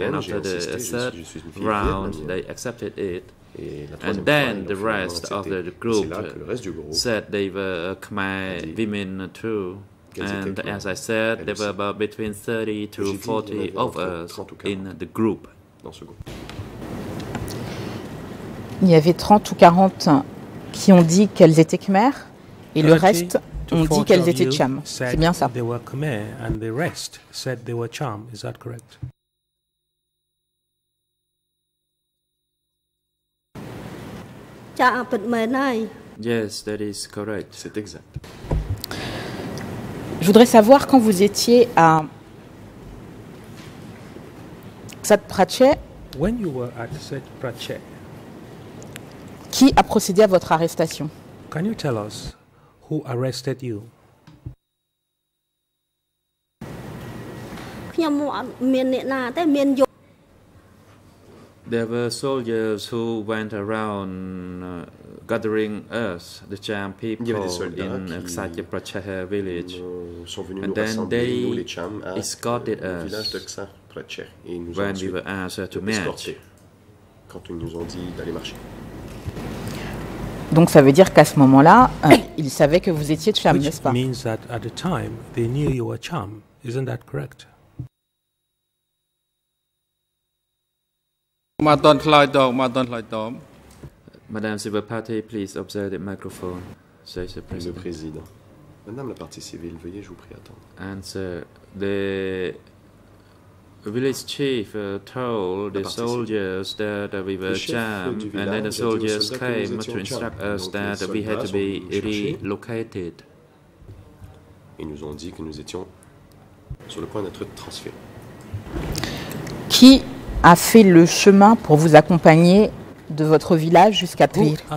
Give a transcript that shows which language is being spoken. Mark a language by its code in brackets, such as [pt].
[en] and after the third round, they accepted it. And then the rest of the group said they were a Khmer women too. And as I said, there were about between 30 to 40 of us in the group. [fr] Il y avait 30 ou 40 qui ont dit qu'elles étaient Khmer et le reste ont dit qu'elles étaient Cham. C'est bien ça. [en] They were Khmer and the rest said they were Cham. Is that correct? Yes, that is correct. [fr] C'est exact. Je voudrais savoir quand vous étiez à Sat Prachet. [en] When you were at Sat Prachet. [fr] Qui a procédé à votre arrestation? [en] Can you tell us who arrested you? [km] Khnyom mo mien nea te mien yo [en] There were soldiers who went around gathering us, the Cham people, in Ksatya Prachaya village. And then they escorted us when we were asked to march. [fr] Donc ça veut dire qu'à ce moment-là, ils savaient que vous étiez Cham, n'est-ce pas? [en] Which means that at the time they knew you were Cham, isn't that correct? Madame civil party, please observe the microphone, says the president. [fr] Le président. Madame la partie civile, veuillez, je vous prie, attendre. [en] And the village chief told the soldiers that we were Cham, and then the soldiers came to instruct us that we had to be relocated. [fr] Ils nous ont dit que nous étions sur le point d'être transférés. Qui a fait le chemin pour vous accompagner de votre village jusqu'à Trier?